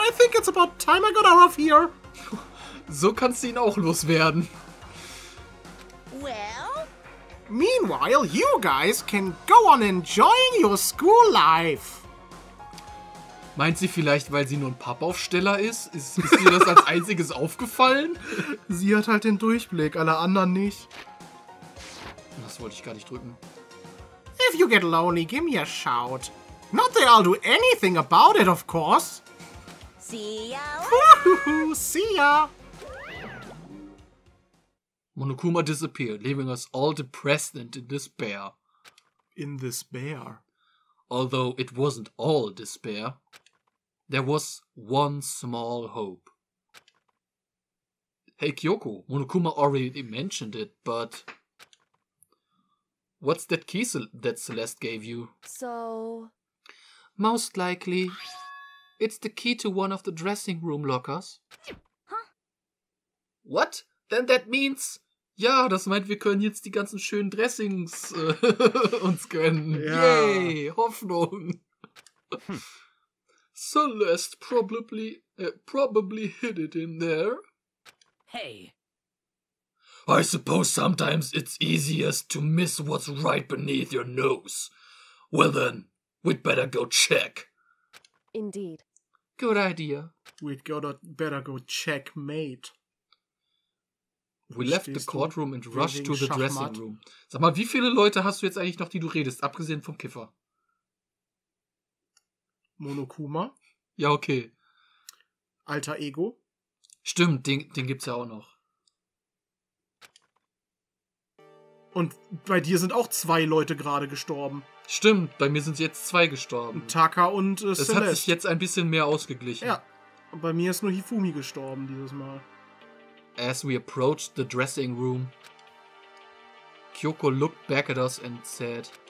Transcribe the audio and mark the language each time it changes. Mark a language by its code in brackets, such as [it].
[en] I think it's about time I got out of here. [de] So kannst du ihn auch loswerden. [en] Well? Meanwhile, you guys can go on enjoying your school life. [de] Meint sie vielleicht, weil sie nur ein Pappaufsteller ist? Ist ihr das als einziges aufgefallen? Sie hat halt den Durchblick, alle anderen nicht. Das wollte ich gar nicht drücken. [en] If you get lonely, give me a shout. Not that I'll do anything about it, of course. See ya. Woohoo, see ya. Monokuma disappeared, leaving us all depressed and in despair. In despair? Although it wasn't all despair, there was one small hope. Hey Kyoko, Monokuma already mentioned it, but... What's that key that Celeste gave you? So... Most likely, it's the key to one of the dressing room lockers. Huh? What? Then that means... [de] Ja, das meint, wir können jetzt die ganzen schönen Dressings uns gönnen. Ja. Yay, Hoffnung. [en] Celeste probably hid it in there. Hey. I suppose sometimes it's easiest to miss what's right beneath your nose. Well then, we'd better go check. Indeed. Good idea. We'd better go checkmate. We left the courtroom and rushed to the dressing room. [de] Sag mal, wie viele Leute hast du jetzt eigentlich noch, die du redest, abgesehen vom Kiffer? Monokuma? Ja, okay. Alter Ego? Stimmt, den gibt's ja auch noch. Und bei dir sind auch zwei Leute gerade gestorben. Stimmt, bei mir sind jetzt zwei gestorben. Taka und Celeste. Das hat sich jetzt ein bisschen mehr ausgeglichen. Ja, und bei mir ist nur Hifumi gestorben dieses Mal. [en] As we approached the dressing room, Kyoko looked back at us and said,